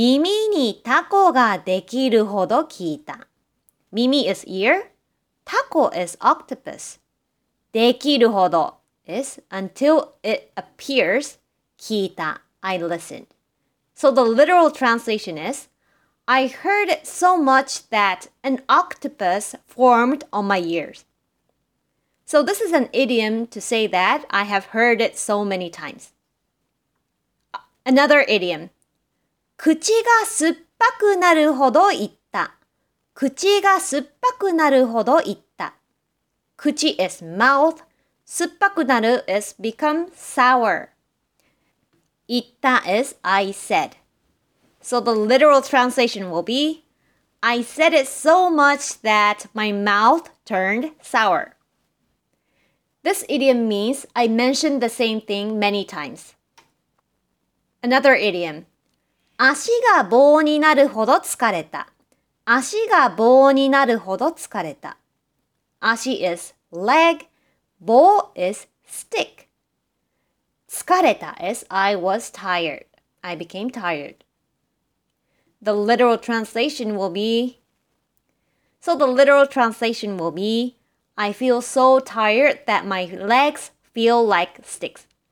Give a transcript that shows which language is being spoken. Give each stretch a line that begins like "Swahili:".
Japanese: 耳にタコができるほど聞いた。耳にタコができるほど聞いた。
English: 耳is ear, タコ is octopus. できるほど is until it appears, 聞いた, I listened. So the literal translation is, I heard it so much that an octopus formed on my ears. So this is an idiom to say that I have heard it so many times. Another idiom.
Japanese: 口が酸っぱくなるほど言った。口が酸っぱくなるほど言った。
English: 口 is mouth. 酸っぱくなる is become sour. 言った is I said. So the literal translation will be, I said it so much that my mouth turned sour. This idiom means I mentioned the same thing many times. Another idiom.
Japanese: 足が棒になるほど疲れた。足が棒になるほど疲れた。
English: 足 is leg, 棒 is stick. 疲れた is I was tired. I became tired. The literal translation will be, I feel so tired that my legs feel like sticks.